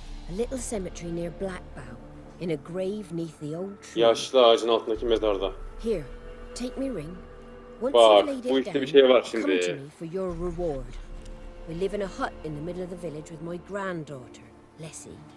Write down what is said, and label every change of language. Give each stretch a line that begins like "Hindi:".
English: A little cemetery near Blackbow, in a grave neath the old tree.
Turkish: Yaşlı ağacın altındaki mezarda.
English: Here, take me ring.
Turkish: Bak, bu işte bir şey var şimdi.
English: Come to me for your reward. We live in a hut in the middle of the village with my granddaughter, Lessie.